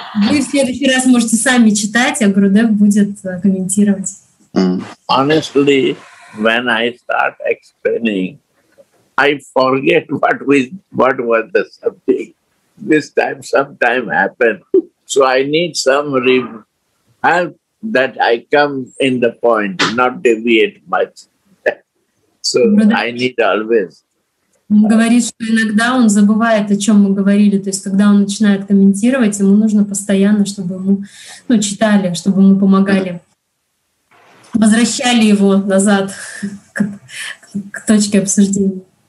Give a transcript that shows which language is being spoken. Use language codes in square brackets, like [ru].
[ru] Вы в следующий раз можете сами читать, а Гурудев будет комментировать. [en] Honestly, when I start explaining, I forget what was the subject. This time, sometime happened. So I need some help that I come in the point, not deviate much. So I need always. [ru] Он говорит, что иногда он забывает, о чем мы говорили. То есть, когда он начинает комментировать, ему нужно постоянно, чтобы ему, ну, читали, чтобы ему помогали. Возвращали его назад к точке обсуждения.